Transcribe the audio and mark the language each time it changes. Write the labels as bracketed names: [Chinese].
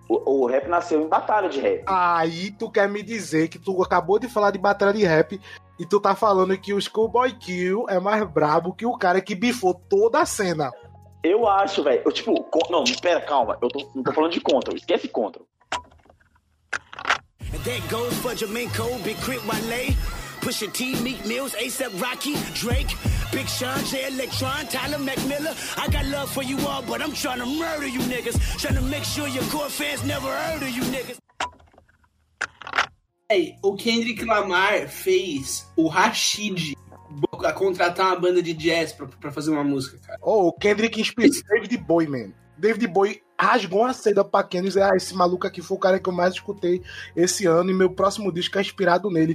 [Portuguese] O rap nasceu em batalha de rap. Aí tu quer me dizer que tu acabou de falar de batalha de rap e tu tá falando que o Schoolboy Q é mais brabo que o cara que bifou toda a cena. Eu acho, velho. Calma. Não tô falando de contra. Esquece contra. [English] And that goes for Jermaine Cole, Big Crit Wale, Pusha T, Meek Mills, A$AP Rocky, Drake, Big Sean, J Electron, Tyler McMillan. I got love for you all, but I'm trying to murder you niggas. Trying to make sure your core fans never heard of you niggas. [Portuguese] Hey, o Kendrick Lamar fez o Rashid a contratar uma banda de jazz pra fazer uma música, cara. Oh, o Kendrick inspirou David Bowie, man. David Bowie rasgou uma seda pra Kendrick e disse, ah, esse maluco aqui foi o cara que eu mais escutei esse ano e meu próximo disco é inspirado nele.